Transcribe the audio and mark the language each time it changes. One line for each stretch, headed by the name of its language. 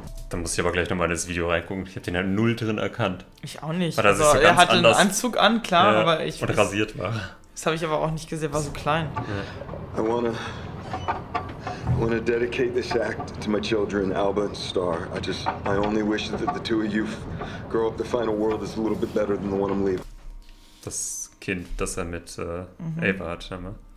German: Da muss ich aber gleich nochmal das Video reingucken. Ich habe den halt null drin erkannt. Ich auch nicht. Aber also, er hatte einen Anzug an, klar, ja, aber ich... Und rasiert war. Das habe ich aber auch nicht gesehen, war so klein. Ja.
English: I wanna dedicate this act to my children, Alba and Star. I only wish that the two of you grow up to find a world that's a little bit better than the one I'm leaving.
German: Das Kind, das er mit Ava hat, schau mal.